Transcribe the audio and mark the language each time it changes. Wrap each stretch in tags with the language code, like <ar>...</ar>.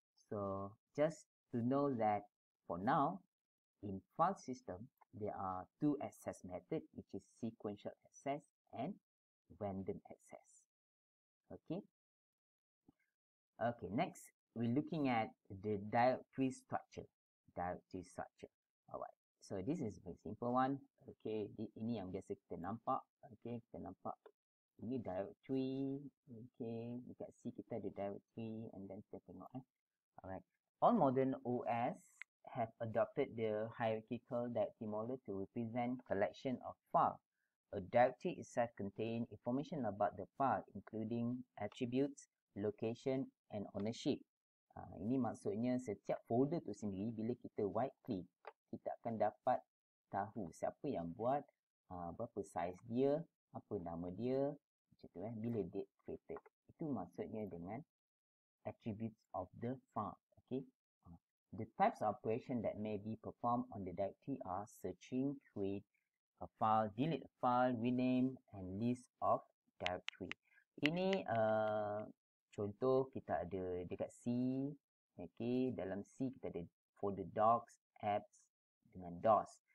<en>So, just to know that for now, in file system, there are two access methods, which is sequential access and random access. Okay? Okay, next, we're looking at the directory structure. Alright. So, this is a very simple one.</en> <ms>Okay, ini yang biasa kita nampak. Okay, kita nampak ini directory. Okay, dekat C kita ada directory</ms> <en>and then</en> <ms>kita tengok. Alright.</ms> <en>All modern OS have adopted the hierarchical directory model to represent collection of file. A directory itself contains information about the file, including attributes, location and ownership.</en> <ms>Ini maksudnya setiap folder tu sendiri, bila kita right click, kita akan dapat tahu siapa yang buat, berapa size dia, apa nama dia, macam tu, bila date created. Itu maksudnya dengan</ms> <en>attributes of the file.</en> <ms>Okay.</ms> <en>The types of operation that may be performed on the directory are searching, create a file, delete a file, rename and list of directory.</en> <ms>Ini contoh kita ada dekat C. Okay. Dalam C kita ada folder docs, apps dengan DOS.</ms>